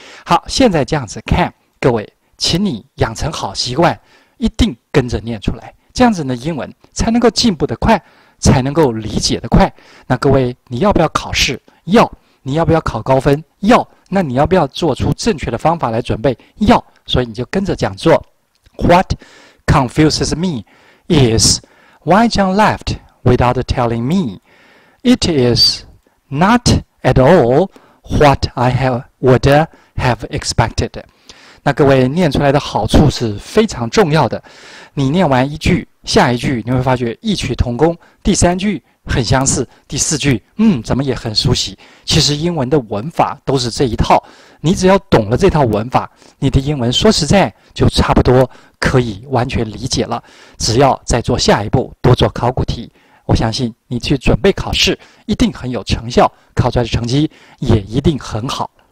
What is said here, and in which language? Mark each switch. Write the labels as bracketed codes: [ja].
[zh] 好，现在这样子看，各位请你养成好习惯，一定跟着念出来，这样子的英文才能够进步得快，才能够理解得快。那各位，你要不要考试？要。你要不要考高分？要。那你要不要做出正确的方法来准备？要。所以你就跟着讲做。 [en] What confuses me is why John left without telling me. It isNot at all what I would have expected. [zh] 那各位念出来的好处是非常重要的，你念完一句下一句你会发觉异曲同工，第三句很相似，第四句怎么也很熟悉。其实英文的文法都是这一套，你只要懂了这套文法，你的英文说实在就差不多可以完全理解了，只要再做下一步，多做考古题，我相信你去准备考试一定很有成效，考出来的成绩也一定很好。